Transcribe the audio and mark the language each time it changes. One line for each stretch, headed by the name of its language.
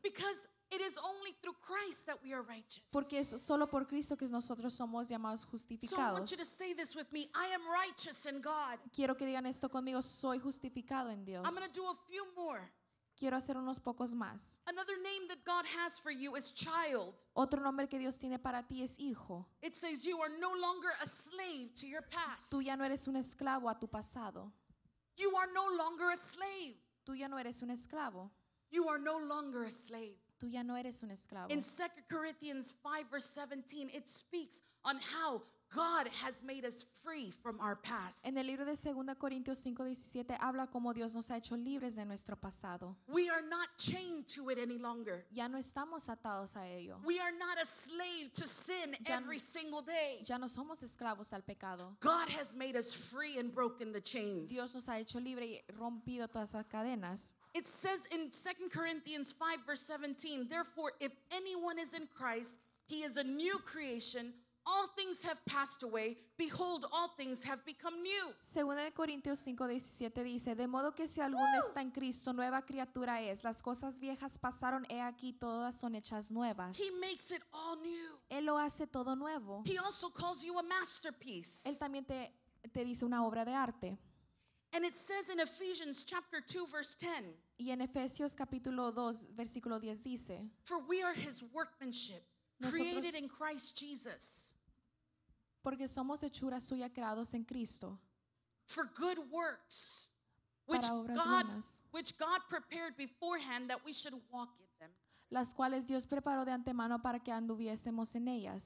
English: Because it is only through Christ that we are righteous.
Spanish: Porque es solo por Cristo que nosotros somos llamados justificados.
English: So I want you to say this with me. I am righteous in God.
Spanish: Quiero que digan esto conmigo. Soy justificado en Dios.
English: I'm gonna do a few more.
Spanish: Quiero hacer unos pocos más.
English: Another name that God has for you is child.
Spanish: Otro nombre que Dios tiene para ti es hijo.
English: It says you are no longer a slave to your past.
Spanish: Tú ya no eres un esclavo a tu pasado.
English: You are no longer a slave.
Spanish: Tú ya no eres un esclavo.
English: You are no longer a slave.
Spanish: Tú ya no eres un esclavo.
English: In 2 Corinthians 5 verse 17, it speaks on how God has made us free from our past.
Spanish: En el libro de 2 Corintios 5:17 habla cómo Dios nos ha hecho libres de nuestro pasado.
English: We are not chained to it any longer.
Spanish: Ya no estamos atados a ello.
English: We are not a slave to sin every single day.
Spanish: Ya no somos esclavos al pecado.
English: God has made us free and broken the chains.
Spanish: Dios nos ha hecho libre y rompido todas las cadenas.
English: It says in 2 Corinthians 5 verse 17, therefore if anyone is in Christ, he is a new creation. All things have passed away. Behold, all things have become new.
Spanish: Segunda de Corintios 5:17 dice, de modo que si alguno está en Cristo, nueva criatura es. Las cosas viejas pasaron, he aquí, todas son hechas nuevas.
English: He makes it all new.
Spanish: Él lo hace todo nuevo.
English: He also calls you a masterpiece.
Spanish: Él también te dice una obra de arte.
English: And it says in Ephesians chapter 2 verse 10.
Spanish: Y en Efesios capítulo 2 versículo 10 dice,
English: for we are his workmanship. Created in Christ Jesus.
Spanish: Porque somos hechura suya creados en Cristo.
English: For good works.
Spanish: Para obras buenas.
English: Which God prepared beforehand that we should walk in them.
Spanish: Las cuales Dios preparó de antemano para que anduviésemos en ellas.